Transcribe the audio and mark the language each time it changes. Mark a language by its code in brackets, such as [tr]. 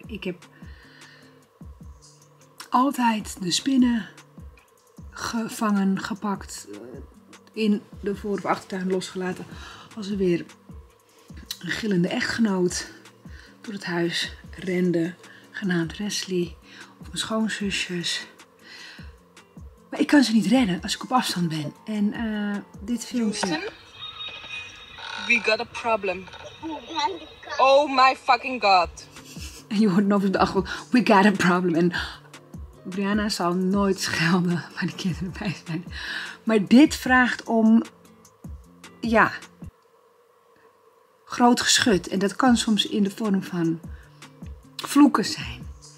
[nl] Ik heb altijd de spinnen gevangen, gepakt, in de voor- of achtertuin losgelaten. Als er weer een gillende echtgenoot door het huis rende, genaamd Wesley of mijn schoonzusjes. Maar ik kan ze niet redden als ik op afstand ben. En dit filmpje... [en] Houston, we got a problem. Oh my fucking god. [nl] En je hoort nog op de achtergrond, [en] we got a problem. [nl] En Brianna zal nooit schelden waar de kinderen erbij zijn. Maar dit vraagt om, ja, groot geschut. En dat kan soms in de vorm van vloeken zijn.